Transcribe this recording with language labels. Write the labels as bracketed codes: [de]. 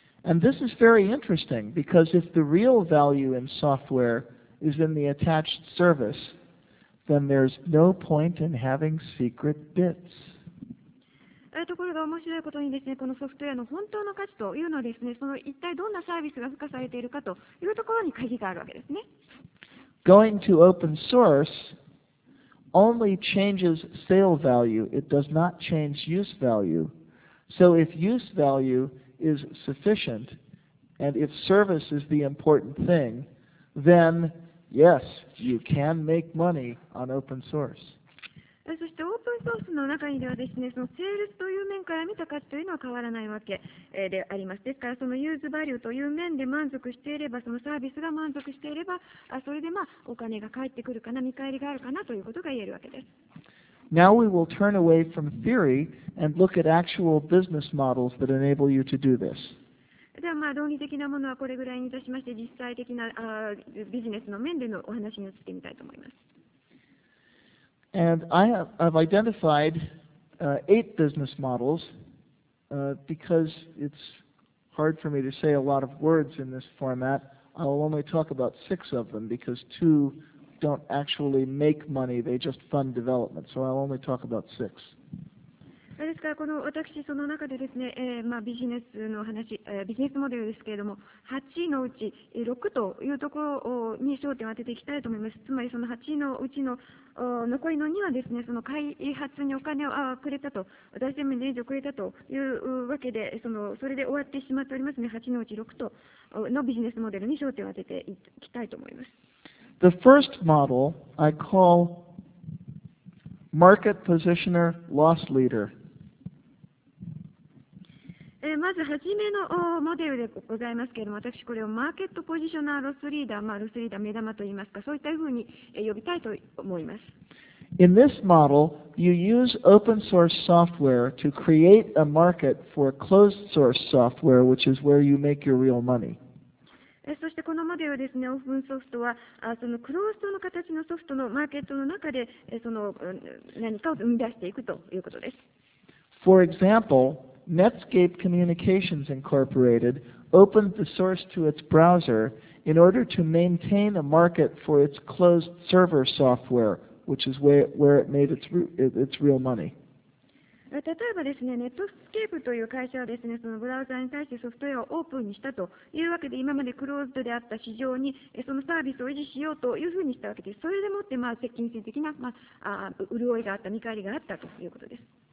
[en] And this is very interesting because if the real value in software is in the attached service, then there's no point in having secret bits. [ja] ところが面白いことにですね、このソフトウェアの本当の価値というのはですね、その一体どんなサービスが付加されているかというところに鍵があるわけですね。 [en] Going to open source only changes sale value. It does not change use value. So if use value is sufficient and if service is the important thing, then yes, you can make money on open source. [ja] そしてオープンソースの中にではですね、そのセールスという面から見た価値というのは変わらないわけであります。ですから、そのユーズバリューという面で満足していれば、そのサービスが満足していれば、それでまあお金が返ってくるかな、見返りがあるかなということが言えるわけです。 [en] Now we will turn away from theory and look at actual business models that enable you to do this. [ja] ではまあ論理的なものはこれぐらいにいたしまして、実際的なビジネスの面でのお話に移ってみたいと思います。 [en] And I've identified eight business models because it's hard for me to say a lot of words in this format. I'll only talk about six of them because two don't actually make money, they just fund development. So I'll only talk about six. [ja] ですからこの私その中でですね、ビジネスの話、ビジネスモデルですけれども、8のうち6というところに焦点を当てていきたいと思います。つまりその8のうちの残りの2はですね、その開発にお金をくれたと、大専務に援助をくれたというわけで、それで終わってしまっておりますね。 8のうち6とのビジネスモデルに焦点を当てていきたいと思います。 [en] The first model I call market positioner loss leader. [ja] まず初めのモデルでございますけれども、私これをマーケットポジショナーロスリーダー、ロスリーダー目玉といいますか、そういったふうに呼びたいと思います。 [en] In this model, you use open source software to create a market for closed source software, which is where you make your real money. [ja] そしてこのモデルはですね、オープンソフトは、そのクローズドの形のソフトのマーケットの中で、何かを生み出していくということです。 [en] For example, Netscape Communications Incorporated opened the source to its browser in order to maintain a market for its closed server software, which is where it made its real money. [ja] 例えばですね、Netscape という会社はですね、そのブラウザに対してソフトウェアをオープンにしたというわけで、今までクローズドであった市場にそのサービスを維持しようというふうにしたわけです。それでもって、まあ、金銭的な、まあ、潤いがあった、見返りがあったということです。